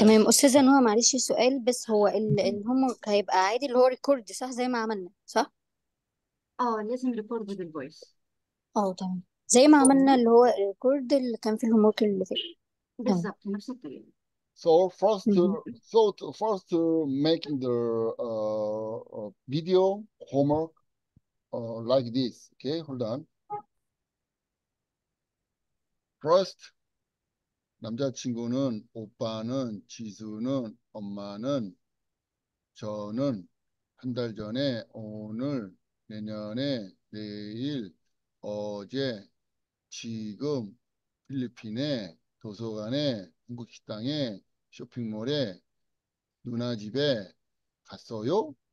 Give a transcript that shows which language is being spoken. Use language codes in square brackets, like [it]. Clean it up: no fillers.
[ar] تمام أستاذة نهى، معلش سؤال بس، هو الهومورك هيبقى عادي اللي هو ريكورد صح زي ما عملنا صح؟ لازم ريكورد بالفويس. تمام زي ما عملنا اللي هو الريكورد اللي كان في الهومورك اللي فات. تمام بالظبط نفس الطريقة. [en] So first making the video homework like this. Okay, hold on. [ko] First, 남자친구는, 오빠는, 지수는, 엄마는, 저는 한달 전에, 오늘, 내년에, 내일, 어제, 지금, 필리핀에, 도서관에, 한국 식당에, 쇼핑몰에, 누나 집에 갔어요?